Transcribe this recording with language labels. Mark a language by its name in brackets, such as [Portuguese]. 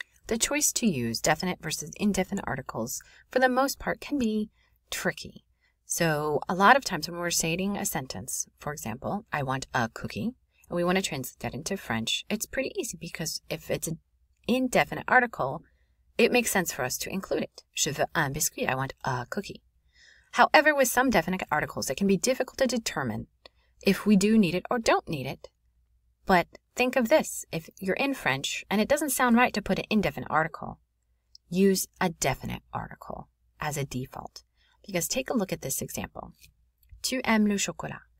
[English] The choice to use definite versus indefinite articles, for the most part, can be tricky. So a lot of times when we're stating a sentence, for example, I want a cookie, and we want to translate that into French, it's pretty easy because if it's an indefinite article, it makes sense for us to include it. [French] Je veux un biscuit, [English] I want a cookie. However, with some definite articles, it can be difficult to determine if we do need it or don't need it. But think of this, if you're in French and it doesn't sound right to put an indefinite article, use a definite article as a default. Because take a look at this example. [French] Tu aimes le chocolat.